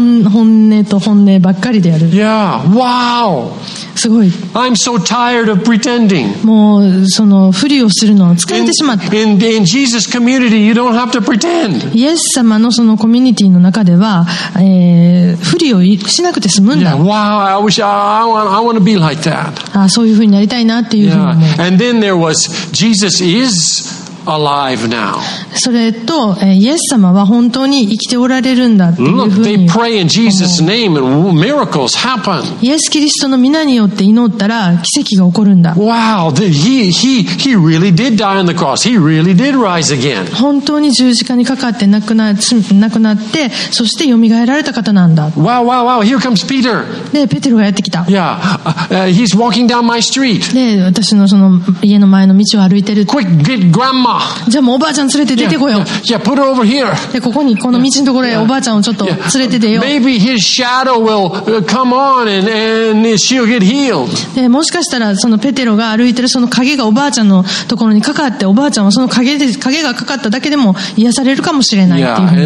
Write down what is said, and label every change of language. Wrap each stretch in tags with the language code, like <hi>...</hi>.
<ja>本音と本音ばっかりである。</ja> <en>Yeah, wow.</en> <ja>すごい。</ja> <en>I'm so tired of pretending.</en> <ja>もうその不利をするのを疲れてしまった。</ja> <en>In Jesus community, you don't have to pretend.</en> <ja>イエス様のそのコミュニティの中では、不利をしなくて済むんだ。</ja> <en>Yeah, wow. I want to be like that.</en> <ja>あ、そういう風になりたいなっていう風に。</ja> <en>Yeah. And then there was Jesus is. Alive now.</en> <ja>それと、イエス様は本当に生きておられるんだっていうふうに。</ja> <en>Look, they pray in Jesus' name and miracles happen.</en> <ja>イエス・キリストの名によって祈ったら奇跡が起こるんだ。</ja> <en>Wow, he really did die on the cross. He really did rise again.</en> <ja>本当に十字架にかかって亡くなって、そして蘇られた方なんだ。</ja> <en>Wow, wow, wow! Here comes Peter.</en> <ja>で、ペテロがやってきた。</ja> <en>Yeah, he's walking down my street.</en> <ja>で、私のその家の前の道を歩いてる。</ja> <en>Quick, get grandma.</en> <ja>じゃあもうおばあちゃん連れて出てこよう。</ja> <en>Yeah, put her over here.</en> <ja>でここにこの道のところへおばあちゃんをちょっと連れて出よう。</ja> <en>Maybe his shadow will come on and she'll get healed.</en> <ja>もしかしたらそのペテロが歩いてるその影がおばあちゃんのところにかかって、おばあちゃんはその影がかかっただけでも癒されるかもしれないっていう。</ja>